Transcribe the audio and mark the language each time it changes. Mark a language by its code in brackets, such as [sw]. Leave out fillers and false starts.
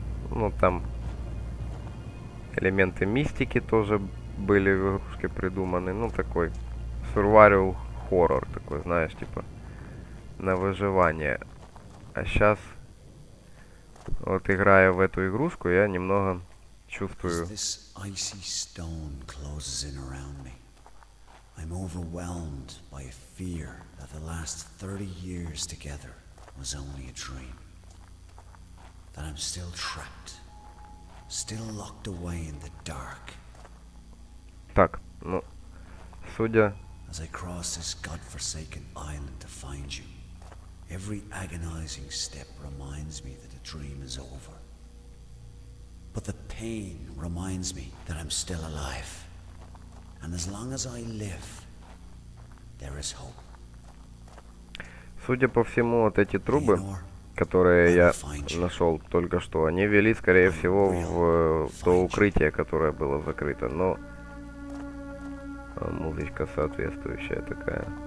[ru] Ну, там элементы мистики тоже были в игрушке придуманы, ну такой survival horror, такой, знаешь, типа на выживание. А сейчас вот играя в эту игрушку, я немного чувствую. [en] This icy stone closes in around me. I'm overwhelmed by a fear that the last 30 years together was only a dream. That I'm still trapped, still locked away in the dark. [ru] Так, ну, судя. [en] As I cross this godforsaken island to find you, every agonizing step reminds me that the dream is over. But the pain reminds me that I'm still alive. And as long as I live, there is hope. [ru] Судя по всему, вот эти трубы, которые я нашел только что, они вели, скорее всего, в то укрытие, которое было закрыто, но. Музычка соответствующая такая.